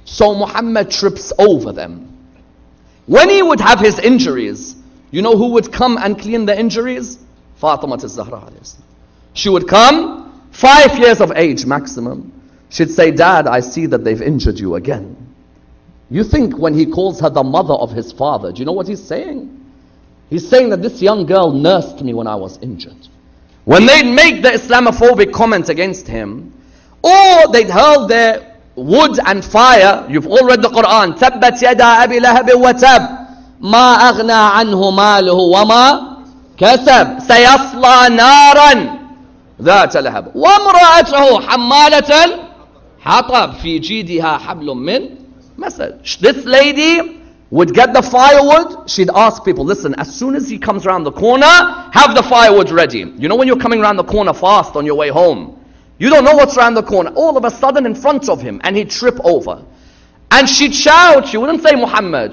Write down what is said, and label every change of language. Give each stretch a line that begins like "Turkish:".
English: So Muhammad trips over them. When he would have his injuries, you know who would come and clean the injuries? Fatima al-Zahra. She would come, 5 years of age maximum. She'd say, Dad, I see that they've injured you again. You think when he calls her the mother of his father, do you know what he's saying? He's saying that this young girl nursed me when I was injured. When they'd make the Islamophobic comment against him, or they'd hurl their wood and fire, you've all read the Quran,
Arabic: تَبَّتْ يَدَا أَبِي لَهَبٍ وَتَبْ مَا أَغْنَى عَنْهُ مَالُهُ وَمَا كَسَبْ سَيَصْلَى نَارًا ذَاتَ لَهَبْ وَمْرَأَتْهُ حَمَّالَةً حَطَبْ فِي جِيدِهَا حَبْلٌ مِّنْ مَسَدْ.
English: This lady would get the firewood. She'd ask people, listen, as soon as he comes around the corner, have the firewood ready. You know when you're coming around the corner fast on your way home, you don't know what's around the corner. All of a sudden in front of him, and he'd trip over. And she'd shout, she wouldn't say Muhammad.